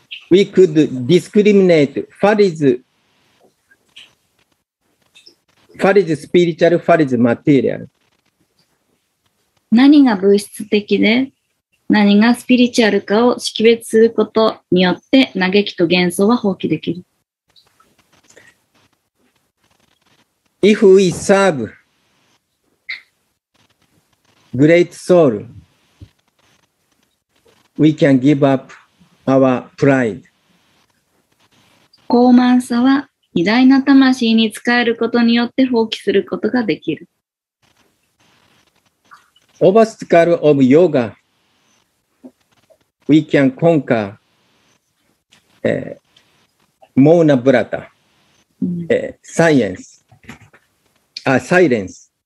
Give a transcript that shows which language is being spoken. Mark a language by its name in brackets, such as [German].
[English] We could discriminate what is spiritual, what is material. [Japanese] 何が物質的で何がスピリチュアルかを識別することによって嘆きと幻想は放棄できる。 [English] If we serve great soul, we can give up our pride. [Japanese] 傲慢さは偉大な魂に仕えることによって放棄することができる。 [English] Obstacle of yoga, we can conquer Mona Brata, silence.